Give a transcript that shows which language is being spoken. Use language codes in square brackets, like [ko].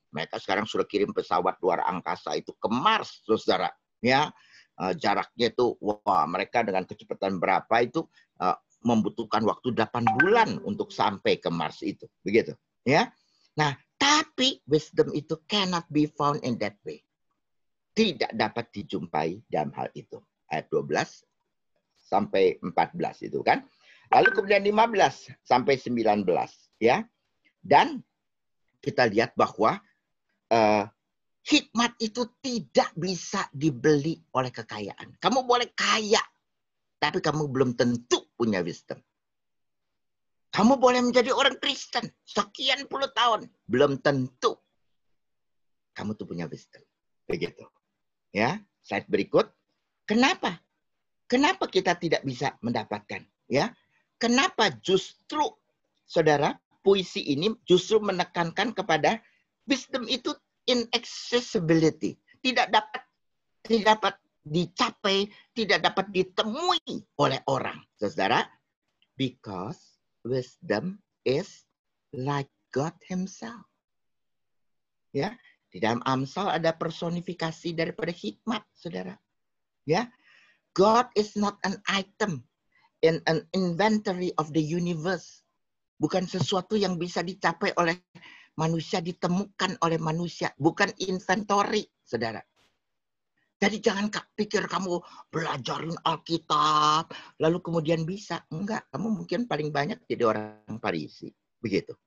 [id] Mereka sekarang sudah kirim pesawat luar angkasa itu ke Mars, saudara, ya. Jaraknya itu, mereka dengan kecepatan berapa itu membutuhkan waktu 8 bulan untuk sampai ke Mars itu, begitu, ya. Nah, tapi [en] wisdom itu cannot be found in that way. [id] Tidak dapat dijumpai dalam hal itu. Ayat 12 sampai 14 itu kan. Lalu kemudian 15 sampai 19, ya. Dan kita lihat bahwa hikmat itu tidak bisa dibeli oleh kekayaan. Kamu boleh kaya, tapi kamu belum tentu punya wisdom. Kamu boleh menjadi orang Kristen sekian puluh tahun, belum tentu kamu tuh punya wisdom. Begitu. Ya, slide berikut. Kenapa? Kenapa kita tidak bisa mendapatkan? Ya, kenapa justru, saudara, puisi ini justru menekankan kepada wisdom itu inaccessibility. Tidak dapat dicapai, tidak dapat ditemui oleh orang. [en] Saudara, because wisdom is like God himself. [id] Ya, di dalam Amsal ada personifikasi daripada hikmat, saudara. [en] Ya, God is not an item in an inventory of the universe. [id] Bukan sesuatu yang bisa dicapai oleh manusia, ditemukan oleh manusia. Bukan inventory, saudara. Jadi jangan pikir kamu belajarin Alkitab, lalu kemudian bisa. Enggak, kamu mungkin paling banyak jadi orang Farisi. Begitu.